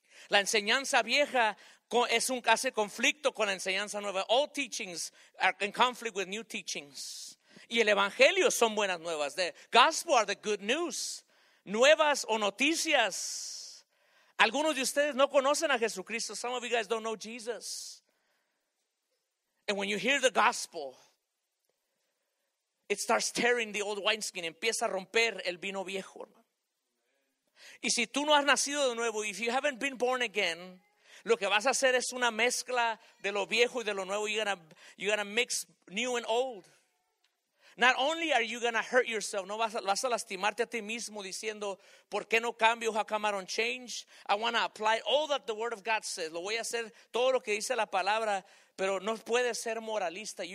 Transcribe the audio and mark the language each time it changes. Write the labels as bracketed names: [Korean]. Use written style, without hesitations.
[Spanish] La enseñanza vieja hace conflicto con la enseñanza nueva. [English] All teachings are in conflict with new teachings. [Spanish] Y el evangelio son buenas nuevas. [English] The gospel are the good news. [Spanish] Nuevas o noticias. Algunos de ustedes no conocen a Jesucristo. [English] Some of you guys don't know Jesus. And when you hear the gospel, it starts tearing the old wineskin. [Spanish] Empieza a romper el vino viejo, hermano. Y si tú no has nacido de nuevo, [English] if you haven't been born again, [Spanish] lo que vas a hacer es una mezcla de lo viejo y de lo nuevo. [English] You're gonna mix new and old. Not only are you going to hurt yourself, [Spanish] no vas a lastimarte a ti mismo diciendo, ¿por qué no cambio? [English] How come I don't change? I want to apply all that the word of God says. [Spanish] Lo voy a hacer todo lo que dice la palabra, pero no puedes ser moralista.